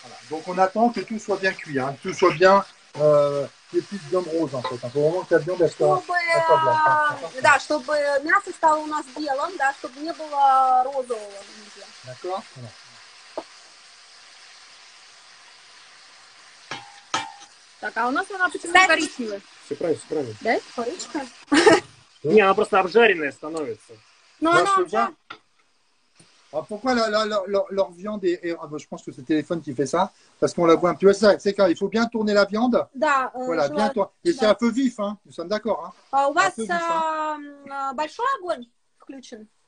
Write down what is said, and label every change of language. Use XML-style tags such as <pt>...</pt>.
<fr>Donc on attend que tout soit bien cuit, hein. Tout soit bien. Les petites viandes roses, en fait. Il faut vraiment que la viande soit.</fr> <ru>Да, чтобы мясо стало у нас белым, да, чтобы не было розового.</ru> <fr>D'accord.</fr> <ru>Так, а у нас она почему-то коричневая. Все правильно, все правильно. Да, коричка. Не, она просто обжаренная становится. Ну, она уже.</ru> <fr>Alors pourquoi leur viande est... je pense que c'est le téléphone qui fait ça, parce qu'on la voit un petit peu. C'est ça, c'est quand il faut bien tourner la viande.</fr> <ru>Da,</ru> <fr>voilà, bien tourner. Et c'est un peu vif, hein, nous sommes d'accord. Hein.</fr> <ru>У вас большой огонь включен?</ru>